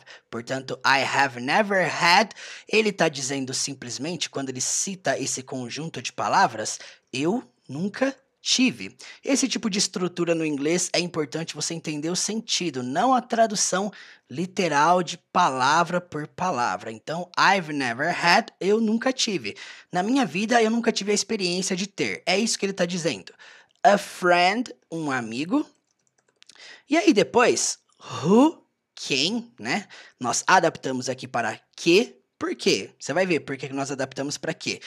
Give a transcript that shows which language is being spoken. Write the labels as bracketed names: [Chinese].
[English] Portanto, I have never had. [Portuguese] Ele está dizendo simplesmente, quando ele cita esse conjunto de palavras, eu nunca tive. Esse tipo de estrutura no inglês é importante você entender o sentido, não a tradução literal de palavra por palavra. Então, [English] I've never had, [Portuguese] eu nunca tive. Na minha vida, eu nunca tive a experiência de ter. É isso que ele está dizendo. [English] A friend, [Portuguese] um amigo. E aí depois, who, quem, né? Nós adaptamos aqui para que. Por quê? Você vai ver por que nós adaptamos para quê.